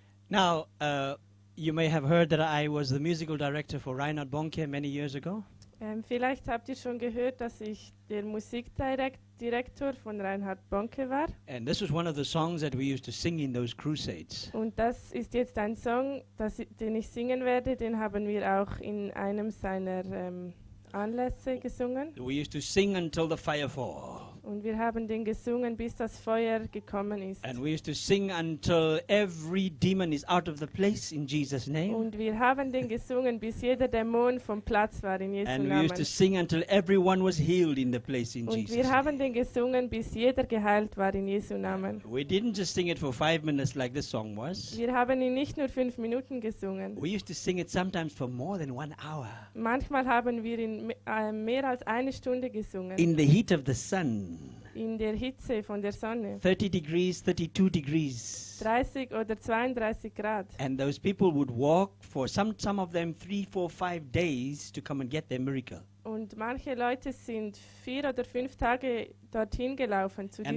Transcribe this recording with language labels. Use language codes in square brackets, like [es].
[en] Now, you may have heard that I was the musical director for Reinhard Bonnke many years ago. [de] Vielleicht habt ihr schon gehört, dass ich der Musikdirektor von Reinhard Bonnke war. [en] And this was one of the songs that we used to sing in those crusades. [de] Und das ist jetzt ein Song, den ich singen werde. Den haben wir auch in einem seiner Anlässe gesungen. [en] We used to sing until the fire fall. [de] Und wir haben den gesungen, bis das Feuer gekommen ist. [en] And we used to sing until every demon is out of the place in Jesus' name. [de] Und wir haben den gesungen, bis jeder Dämon vom Platz war in Jesu Namen. [en] And we used to sing until everyone was healed in the place in Jesus' name. [de] Und wir haben den gesungen, bis jeder geheilt war in Jesu Namen. [en] We didn't just sing it for 5 minutes like this song was. [de] Wir haben ihn nicht nur 5 Minuten gesungen. [en] We used to sing it sometimes for more than 1 hour. [de] Manchmal haben wir ihn mehr als eine Stunde gesungen. [en] In the heat of the sun. [de] In der Hitze von der Sonne. [en] 30 degrees, 32 degrees. [de] 30 oder 32 Grad. [en] And those people would walk for some of them 3, 4, 5 days to come and get their miracle. [de] Und manche Leute sind 4 oder 5 Tage dorthin gelaufen zu diesem